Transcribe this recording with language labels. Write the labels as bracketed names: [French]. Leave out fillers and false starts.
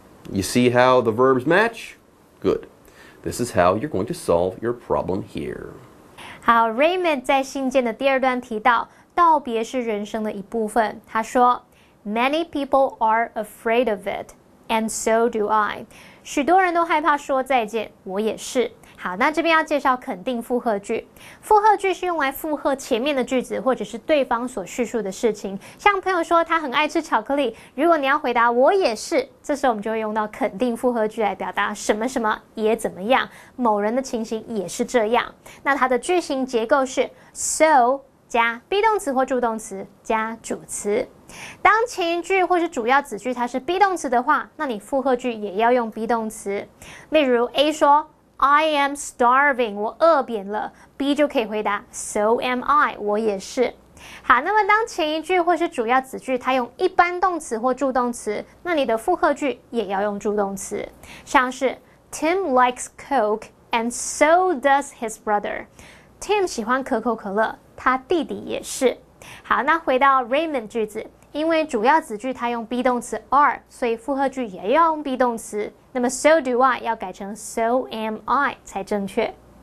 [English] You see how the verbs match? Good. This is how you're going to solve your problem here. [Chinese] 好 ,Raymond 在信件的第二段提到道别是人生的一部分。他说 [English] ,Many people are afraid of it, and so do I. [Chinese] 许多人都害怕说再见，我也是。好，那这边要介绍肯定复合句。复合句是用来附和前面的句子或者是对方所叙述的事情。像朋友说他很爱吃巧克力，如果你要回答我也是，这时候我们就会用到肯定复合句来表达什么什么也怎么样，某人的情形也是这样。那它的句型结构是 so 加 be 动词或助动词加主词。当前一句或是主要子句它是 be 动词的话，那你复合句也要用 be 动词。例如 A 说 [English] I am starving, [Chinese] 我饿扁了。 B 就可以回答 [English] So am I, [Chinese] 我也是。好，那么当前一句或是主要子句它用一般动词或助动词，那你的复合句也要用助动词。像是 [English] Tim likes Coke and so does his brother. [Chinese] Tim 喜欢可口可乐，他弟弟也是。好，那回到 Raymond 句子，因为主要子句它用 be 动词 are, 所以复合句也要用 be 动词。那么 so do I 要改成 so am I 才正确。